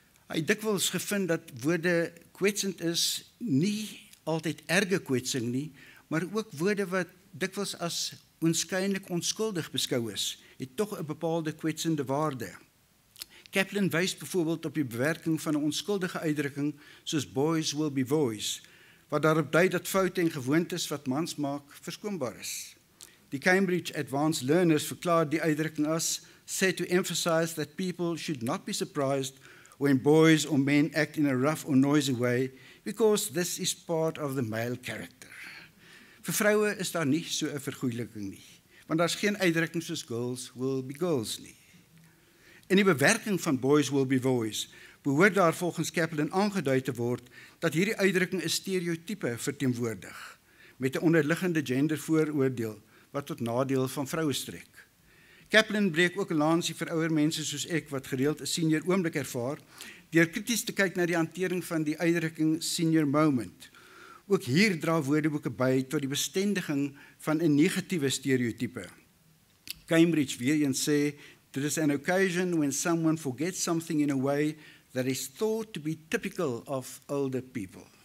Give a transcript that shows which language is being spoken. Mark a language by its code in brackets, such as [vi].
[af] Hy het dikwels gevind dat woorde kwetsend is, nie altyd erge kwetsing nie, maar ook woorde wat dikwels as onskynlik onskuldig beskou is, het tog 'n bepaalde kwetsende waarde. Kaplan wys byvoorbeeld op die bewerking van 'n onskuldige uitdrukking soos [en] boys will be boys, [af] wat daarop dui dat foute en gewoontes wat mans maak verskoonbaar is. Die Cambridge Advanced Learners verklaar die uitdrukking as [en] said to emphasize that people should not be surprised when boys or men act in a rough or noisy way because this is part of the male character. [af] Vir vroue is daar nie so 'n vergoedeliking nie, want daar's geen uitdrukking soos [en] girls will be girls [af] nie. In die bewerking van [en] boys will be boys [af] behoort daar volgens Kaplan aangedui te word dat hierdie uitdrukking 'n stereotype verteenwoordig met 'n onderliggende gendervooroordeel wat tot nadeel van vroue strek. Kaplan breek ook 'n lansie vir ouer mense soos ek wat gereeld 'n senior oomblik ervaar deur krities te kyk na die hantering van die uitdrukking senior moment. Ook hier dra woordeboeke by tot die bestendiging van 'n negatiewe stereotype. Cambridge weer eens sê [en] there is an occasion when someone forgets something in a way that is thought to be typical of older people.